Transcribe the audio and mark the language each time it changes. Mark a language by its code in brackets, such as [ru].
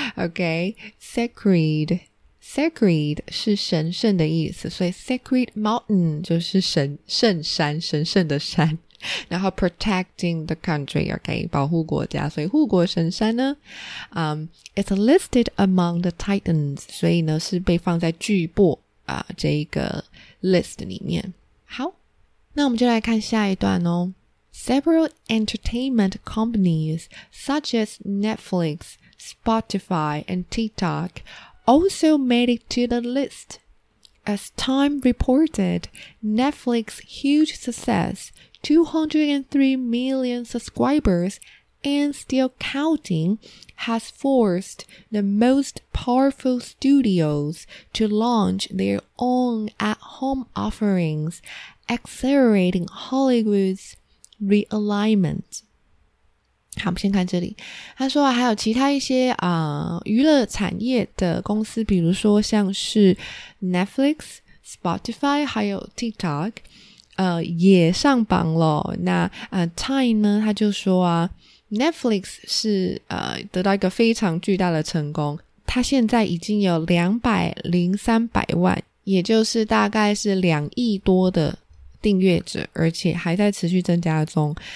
[zh] OK， SacredSacred 是神圣的意思，所以 Sacred Mountain 就是圣山神圣的山，然后 [en] Protecting the Country [zh] OK 保护国家，所以护国神山呢 [en] It's listed among the titans， [zh] 所以呢是被放在巨擘这一个 list 里面。好，那我们就来看下一段哦。 [en] Several entertainment companies such as Netflix, Spotify and TikTokAlso made it to the list. As Time reported, Netflix's huge success, 203 million subscribers and still counting, has forced the most powerful studios to launch their own at-home offerings, accelerating Hollywood's realignment. [zh] 好，我们先看这里。他说啊，还有其他一些娱乐产业的公司，比如说像是 Netflix、Spotify 还有 TikTok， 也上榜了。那Time 呢，他就说啊 ，Netflix 是得到一个非常巨大的成功，他现在已经有203万，也就是大概是2亿多的订阅者，而且还在持续增加中。